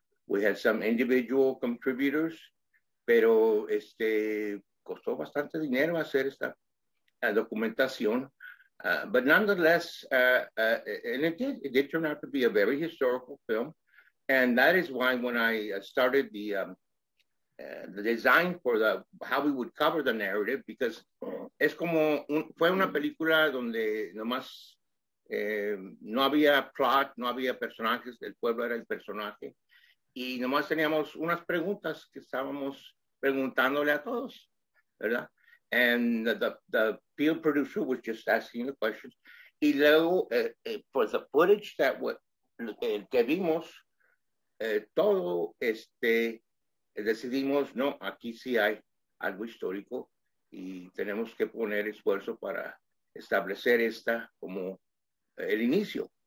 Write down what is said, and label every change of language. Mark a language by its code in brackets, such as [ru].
[en] We had some individual contributors, [es] pero costó bastante dinero hacer esta documentación. [en] But nonetheless, and it did turn out to be a very historical film. And that is why when I started the design for how we would cover the narrative, because [es] es como fue una película donde nomás no había plot, no había personajes, el pueblo era el personaje. Y nomás teníamos unas preguntas que estábamos preguntándole a todos, ¿verdad? [en] And the field producer was just asking the questions. [es] Y luego, [en] for the footage that [es] que vimos, todo decidimos, no, aquí sí hay algo histórico y tenemos que poner esfuerzo para establecer esta como el inicio.